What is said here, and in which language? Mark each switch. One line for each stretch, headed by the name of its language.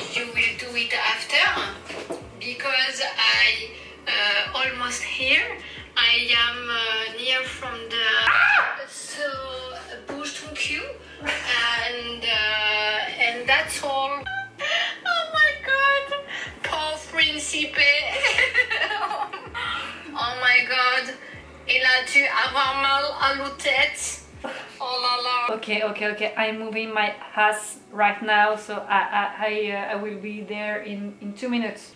English: You will do it after because I almost here. I am near from the so bush to queue and that's all. Oh my god, poor Principe. Oh my god,
French: il a dû avoir mal à la tête. Oh la la.
English: Okay. I'm moving my ass right now, so I will be there in 2 minutes.